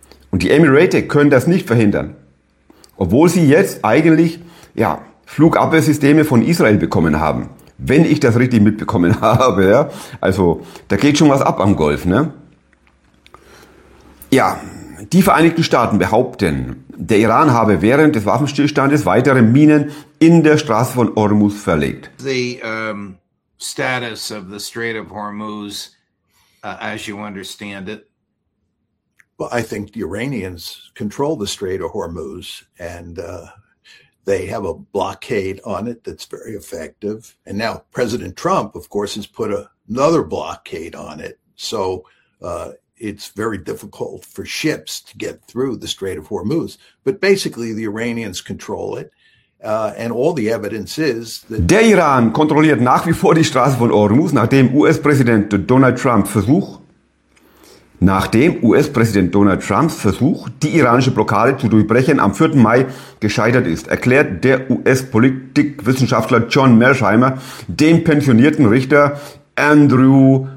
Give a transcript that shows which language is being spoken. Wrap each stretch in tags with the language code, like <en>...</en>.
<de>Und die Emirates können das nicht verhindern. Obwohl sie jetzt eigentlich, ja, Flugabwehrsysteme von Israel bekommen haben. Wenn ich das richtig mitbekommen habe, ja. Also, da geht schon was ab am Golf, ne? Ja, die Vereinigten Staaten behaupten, der Iran habe während des Waffenstillstandes weitere Minen in der Straße von Hormuz verlegt.</de> <en>The status of the Strait of Hormuz, as you understand it, well, I think the Iranians control the Strait of Hormuz, and they have a blockade on it that's very effective. And now President Trump, of course, has put another blockade on it. So it's very difficult for ships to get through the Strait of Hormuz. But basically, the Iranians control it. And all the evidence is that</en> <de>der Iran kontrolliert nach wie vor die Straße von Hormuz, nachdem US-Präsident Donald Trump versucht, die iranische Blockade zu durchbrechen, am 4. Mai gescheitert ist, erklärt der US-Politikwissenschaftler John Mersheimer dem pensionierten Richter Andrew</de>